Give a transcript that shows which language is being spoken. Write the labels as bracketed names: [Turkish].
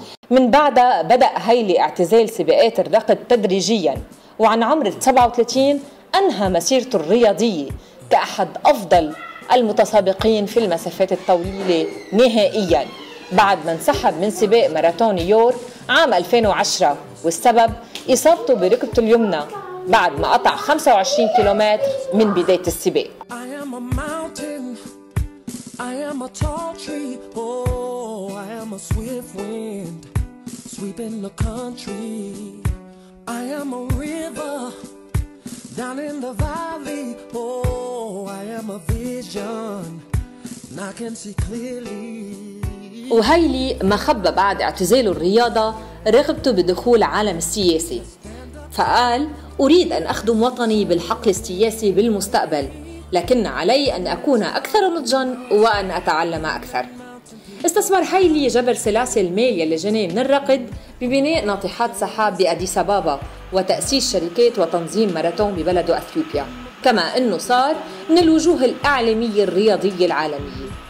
[Arabic] من بعدها بدأ هايلي اعتزال سباقات الركض تدريجياً، وعن عمر 37 أنهى مسيرته الرياضية كأحد أفضل المتسابقين في المسافات الطويلة نهائياً، بعد ما انسحب من سباق ماراثون نيويورك عام 2010، والسبب إصابته بركبته اليمنى بعد ما قطع 25 كيلومتر من بداية السباق. [English] I am a mountain, I am a tall tree, oh, I am a swift wind, sweeping the country. I am a river, down in the valley, oh, I am a vision, and I can see clearly. [Arabic] وهايلي ما خبى بعد اعتزاله الرياضة رغبته بدخول عالم السياسي، فقال: أريد أن أخدم وطني بالحقل السياسي بالمستقبل، لكن علي أن أكون أكثر نضجاً وأن أتعلم أكثر. استثمر هايلي جبر سيلاسي المال يلي جني من الرقد ببناء ناطحات سحاب بأديس أبابا وتأسيس شركات وتنظيم ماراثون ببلده أثيوبيا، كما أنه صار من الوجوه الإعلامية الرياضية العالمية.